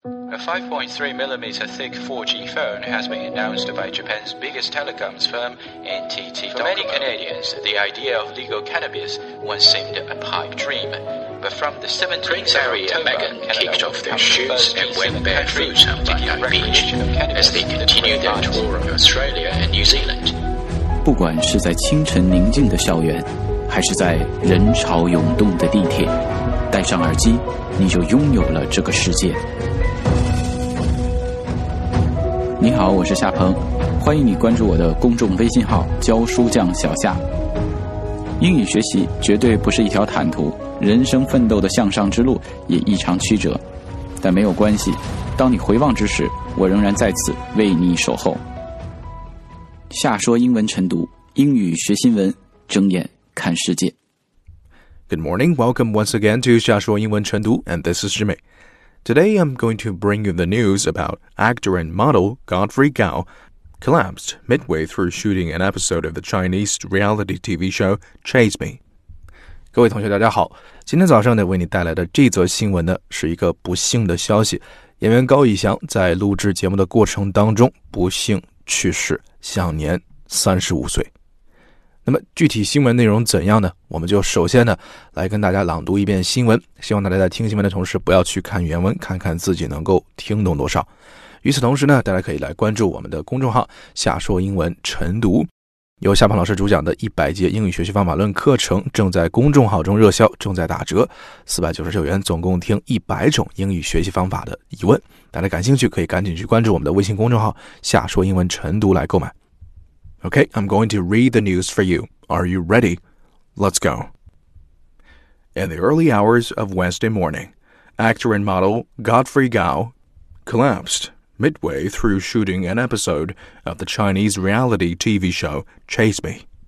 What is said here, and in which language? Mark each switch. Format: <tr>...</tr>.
<en>A 5.3mm thick 4G phone has been announced by Japan's biggest telecoms firm, NTT Docomo. For many Canadians, the idea of legal cannabis once seemed a pipe dream. But from the 17th of October, Megan kicked off their shoes and went barefoot on Bondi Beach as they continued their tour of Australia and New Zealand.</en> <zh>不管是在清晨宁静的校园，还是在人潮涌动的地铁，戴上耳机，你就拥有了这个世界。你好，我是夏鹏，欢迎你关注我的公众微信号教书匠小夏。英语学习绝对不是一条坦途，人生奋斗的向上之路也异常曲折，但没有关系，当你回望之时，我仍然在此为你守候。夏说英文晨读，英语学新闻，睁眼看世界。</zh> <en>Good morning, welcome once again to 夏说英文晨读 and this is Jimmy. Today, I'm going to bring you the news about actor and model Godfrey Gao collapsed midway through shooting an episode of the Chinese reality TV show Chase Me.</en> <zh>各位同学大家好，今天早上呢为你带来的这则新闻呢是一个不幸的消息，演员高以翔在录制节目的过程当中不幸去世，享年35岁。那么具体新闻内容怎样呢？我们就首先呢来跟大家朗读一遍新闻，希望大家在听新闻的同时不要去看原文，看看自己能够听懂多少。与此同时呢，大家可以来关注我们的公众号夏说英文晨读，由夏鹏老师主讲的100节英语学习方法论课程正在公众号中热销，正在打折，499元总共听100种英语学习方法的疑问，大家感兴趣可以赶紧去关注我们的微信公众号夏说英文晨读来购买。</zh> <en>Okay, I'm going to read the news for you. Are you ready? Let's go. In the early hours of Wednesday morning, actor and model Godfrey Gao collapsed midway through shooting an episode of the Chinese reality TV show Chase Me.</en>